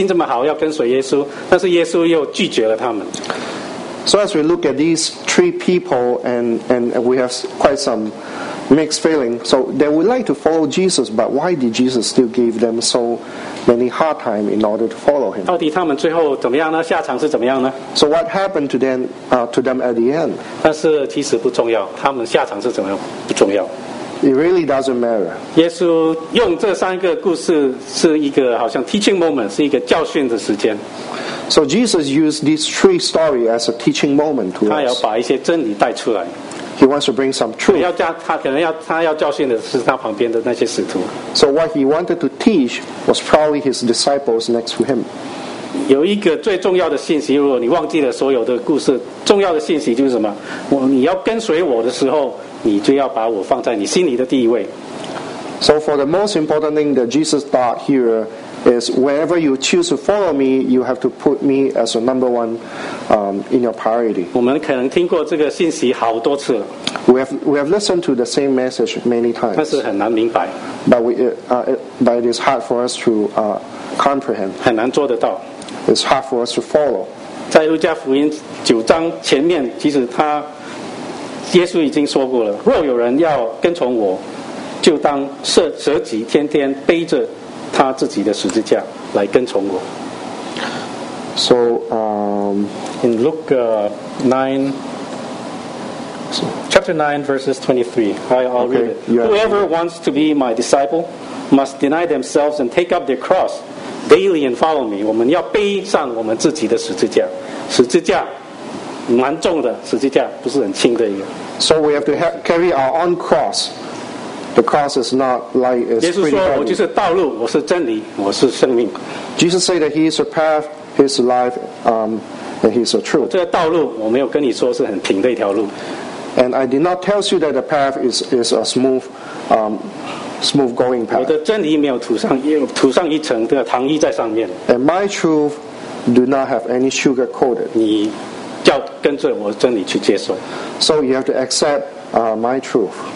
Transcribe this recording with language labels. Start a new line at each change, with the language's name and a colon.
Chinese: 我们在这三个人的身上的故事，我们看见，其实很容易就是把这个注意力注意到这三个人，我们可能会可怜他们，为什么他们心这么好要跟随耶稣，但是耶稣又拒绝了他们。
English: So as we look at these three people and we have quite some mixed feeling, so they would like to follow Jesus, but why did Jesus still give them so many hard time in order to follow him?
Chinese: 到底他们最后怎么样呢? 下场是怎么样呢?
English: So what happened to them at the end?
Chinese: 但是其实不重要, 他们下场是怎么样, 不重要。
English: It really doesn't matter.
Chinese: 耶稣用这三个故事是一个好像
English: teaching moment,
Chinese: 是一个教训的时间。
English: So Jesus used these three stories as a teaching moment to us.
Chinese: 他要把一些真理带出来。
English: He wants to bring some truth.
Chinese: 他要教训的是他旁边的那些使徒。
English: So what he wanted to teach was probably his disciples next to him.
Chinese: 有一个最重要的信息，如果你忘记了所有的故事，重要的信息就是什么？你要跟随我的时候。
English: So for the most important thing that Jesus taught here is wherever you choose to follow me, you have to put me as a number one in your priority. We have listened to the same message many times.
Chinese: 但是很难明白,
English: but it is hard for us to comprehend.
Chinese: 很难做得到,
English: it's hard for us to follow.
Chinese: 在路加福音9章前面, 耶稣已经说过了，若有人要跟从我，就当舍己，天天背着他自己的十字架来跟从我。
English: So in Luke 9 chapter 9 verses 23, I'll read it. Whoever wants to be my disciple must deny themselves and take up their cross daily and follow me.
Chinese: 我们要背上我们自己的十字架，十字架 蛮重的十字架，不是很轻的一个。
English: So we have to carry our own cross. The cross is not light, it's pretty heavy.
Chinese: 耶稣说，我就是道路，我是真理，我是生命。
English: Jesus said that he is a path, he is life, and he is a truth.
Chinese: 这个道路我没有跟你说是很平的一条路。
English: And I did not tell you that the path is a smooth, smooth going path.
Chinese: 我的真理没有涂上一层的糖衣在上面。
English: And my truth do not have any sugar coated.
Chinese: 要跟着我真理去接受。 So you have to accept my truth.